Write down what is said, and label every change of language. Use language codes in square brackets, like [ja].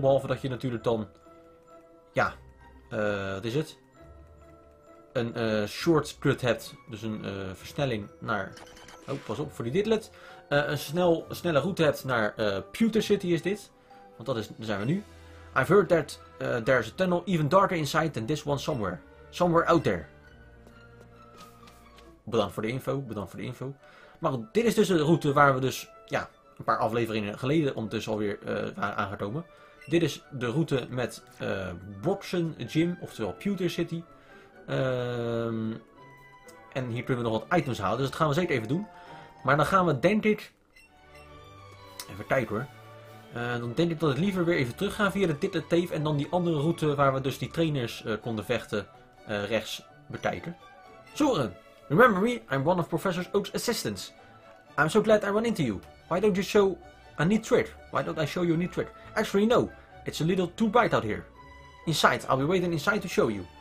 [nl] Behalve dat je natuurlijk dan... Ja. Wat is het? Een shortcut hebt. Dus een versnelling naar... Oh, pas op voor die Diddlet. Een snelle route hebt naar Pewter City is dit. Want dat is, daar zijn we nu. [en] I've heard that there's a tunnel even darker inside than this one somewhere. Somewhere out there. [nl] Bedankt voor de info. Maar goed, dit is dus de route waar we dus ja, een paar afleveringen geleden ondertussen alweer waren aangekomen. Dit is de route met Broxen Gym, oftewel Pewter City. En hier kunnen we nog wat items halen, dus dat gaan we zeker even doen. Maar dan gaan we denk ik, even kijken hoor, dan denk ik dat ik liever weer even terug ga via de Diddlet Cave en dan die andere route waar we dus die trainers konden vechten rechts bekijken. [en] Soren, remember me, I'm one of Professor Oak's assistants. I'm so glad I ran into you. Why don't you show a neat trick? Why don't I show you a neat trick? Actually no, it's a little too bright out here. Inside, I'll be waiting inside to show you.